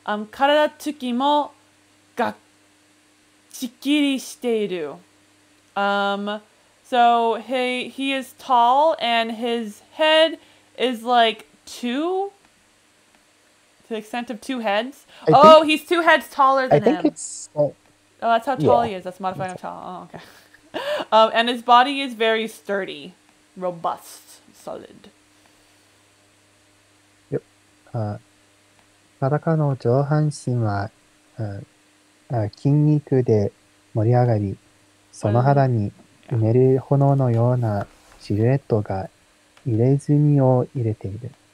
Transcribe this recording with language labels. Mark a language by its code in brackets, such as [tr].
[ja] 体つきもがっちきりしている。 [en] So he is tall and his head is like two, to the extent of two heads. He's two heads taller than him. That's how tall he is. That's modifying how tall. Oh, okay. and his body is very sturdy, robust, solid. Yep. [ja] 裸の上半身は筋肉で盛り上がり、その肌に埋める炎のようなシルエットが入れ墨を入れている。